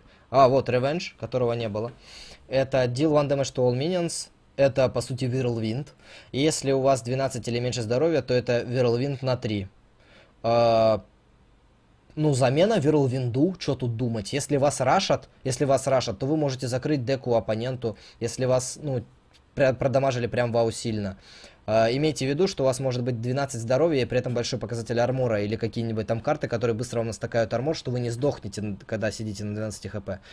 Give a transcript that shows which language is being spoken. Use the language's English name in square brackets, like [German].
[Russian] А, вот Revenge, которого не было. Это [English] Deal 1 Damage to All Minions. [Russian] Это, по сути, Whirlwind. И если у вас 12 или меньше здоровья, то это Whirlwind на 3. Ну, замена Whirlwind'у, что тут думать? Если вас рашат, то вы можете закрыть деку оппоненту. Если вас, ну, продамажили прям вау сильно. Имейте в виду, что у вас может быть 12 здоровья и при этом большой показатель армора или какие-нибудь там карты, которые быстро вам настакают армор, что вы не сдохнете, когда сидите на 12 хп.